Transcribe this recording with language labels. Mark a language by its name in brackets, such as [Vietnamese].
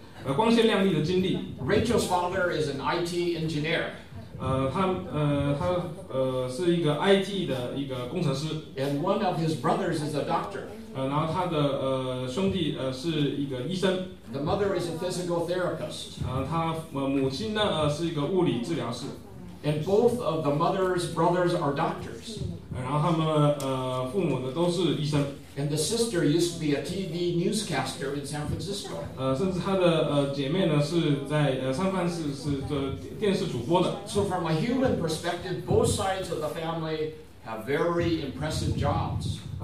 [Chinese] 这个Rachel她的父母有非常光鲜亮丽的经历。 [English] Rachel's father is an IT engineer. [Chinese] 他是一个IT的一个工程师。 [English] And one of his brothers is a doctor. [Chinese] 然后他的兄弟是一个医生。 [English] The mother is a physical therapist. [Chinese] 他母亲呢是一个物理治疗师。 [English] And both of the mother's brothers are doctors. [Chinese] 然后他们父母呢都是医生。 [English] And the sister used to be a TV newscaster in San Francisco. [Chinese] 甚至他的姐妹呢是在三藩市是做电视主播的。 [English] So from a human perspective, both sides of the family have very impressive jobs.